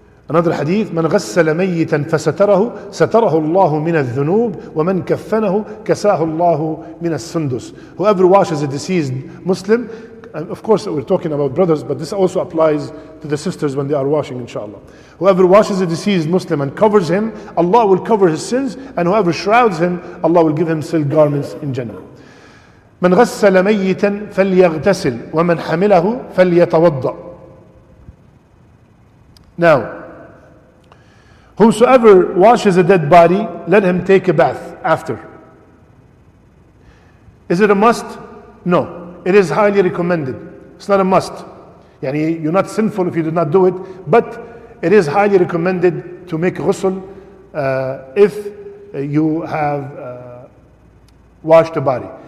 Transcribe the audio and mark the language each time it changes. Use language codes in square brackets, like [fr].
[ar] Another hadith, من غسل ميتا فستره ستره الله من الذنوب ومن كفنه كساه الله من السندس. [en] Whoever washes a deceased Muslim, and of course we're talking about brothers, but this also applies to the sisters when they are washing, inshallah. Whoever washes a deceased Muslim and covers him, Allah will cover his sins, and whoever shrouds him, Allah will give him silk garments in Jannah. [ar] من غسل ميتا فليغتسل ومن حمله فليتوضأ. [en] Now, whosoever washes a dead body, let him take a bath after. Is it a must? No. It is highly recommended. It's not a must. يعني you're not sinful if you did not do it, but it is highly recommended to make ghusl if you have washed the body.